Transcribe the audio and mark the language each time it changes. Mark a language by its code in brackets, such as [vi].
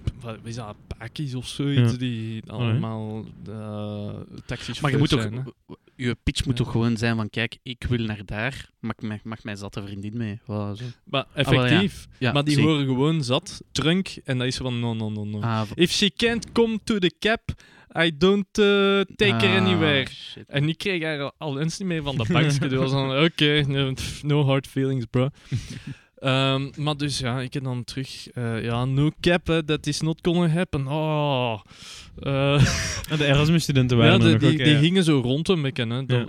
[nl] Wat is dat, pakjes of zoiets die allemaal taxichauffeurs zijn, toch, je pitch moet toch gewoon zijn van, kijk, ik wil naar daar, mag mijn zatte vriendin mee? Voilà, zo. Maar effectief, maar die horen gewoon zat, drunk, en dat is van no. [en] If she can't come to the cab, I don't take her anywhere. Shit. [nl] En ik kreeg haar al eens niet mee van dat bankje. Dat was van, oké, [en] no hard feelings, bro. [nl] maar dus ja, ik heb dan terug, [en] no cap, that is not gonna happen. [nl] De Erasmus-studenten waren er nog. Ja, die hingen zo rond een beetje, hè.